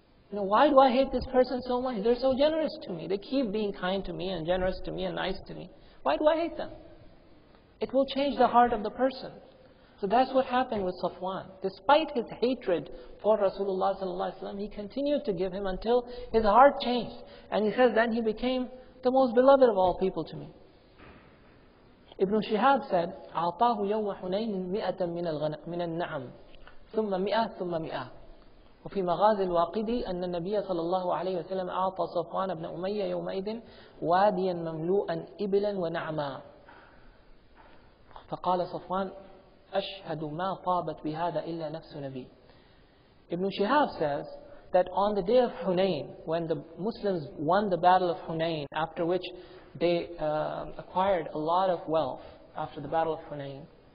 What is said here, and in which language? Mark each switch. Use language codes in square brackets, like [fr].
[en] You know, why do I hate this person so much? They're so generous to me. They keep being kind to me and generous to me and nice to me. Why do I hate them? It will change the heart of the person. So that's what happened with Safwan. Despite his hatred for Rasulullah ﷺ, he continued to give him until his heart changed. And he says, then he became the most beloved of all people to me. Ibn Shihab said, [ar] أَعْطَاهُ يَوْمَ حُنَيْنٍ مِئَةً مِنَ النَّعَمِ ثُمَّ مِئَةً ثُمَّ مِئَةً. وفي مغازي الواقدي أن النبي صلى الله عليه وسلم أعطى صفوان بن أمية يومئذ واديا مملوءا إبلا ونعما. فقال صفوان, أشهد ما طابت بهذا إلا نفس نبي. [en] Ibn Shihab says that on the day of Hunayn, when the Muslims won the battle of Hunayn, after which they acquired a lot of wealth after the battle of Hunayn.